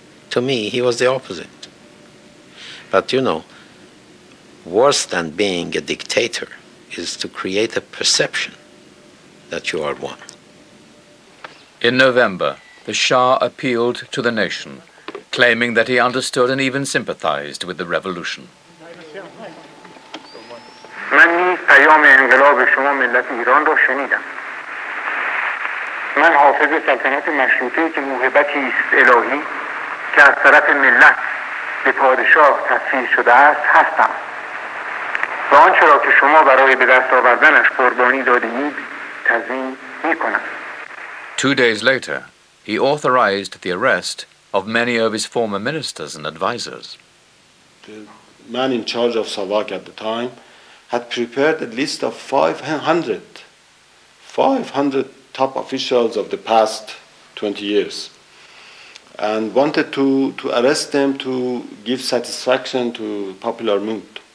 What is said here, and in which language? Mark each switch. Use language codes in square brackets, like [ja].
[en] To me, he was the opposite. But you know, worse than being a dictator is to create a perception that you are one. In November, the Shah appealed to the nation, claiming that he understood and even sympathized with the revolution. [fa] من نیز پیام انقلاب شما ملت ایران را شنیدم. من حافظ سلطنت مشروطه که موهبتی است الهی که از طرف ملت به پادشاه تسلیم شده است هستم. و آنچه را که شما برای به دست آوردنش قربانی دادید تضمین می‌کنم. [en] 2 days later, he authorized the arrest of many of his former ministers and advisors. The man in charge of Savak at the time had prepared a list of 500 top officials of the past 20 years and wanted to arrest them to give satisfaction to popular mood.